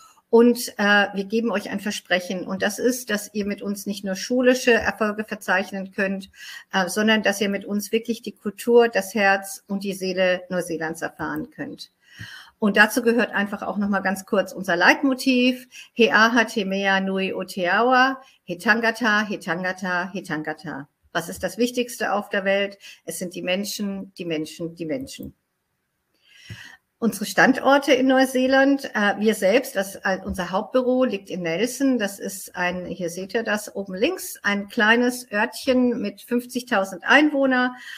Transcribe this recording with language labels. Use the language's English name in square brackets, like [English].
[German] Und wir geben euch ein Versprechen und das ist, dass ihr mit uns nicht nur schulische Erfolge verzeichnen könnt, sondern dass ihr mit uns wirklich die Kultur, das Herz und die Seele Neuseelands erfahren könnt. Und dazu gehört einfach auch nochmal ganz kurz unser Leitmotiv. [Māori] He aha te mea nui o te awa, he tangata, he tangata, he tangata. [German] Was ist das Wichtigste auf der Welt? Es sind die Menschen, die Menschen, die Menschen. Unsere Standorte in Neuseeland, wir selbst, unser Hauptbüro liegt in Nelson, das ist hier seht ihr das oben links, ein kleines Örtchen mit 50.000 Einwohnern,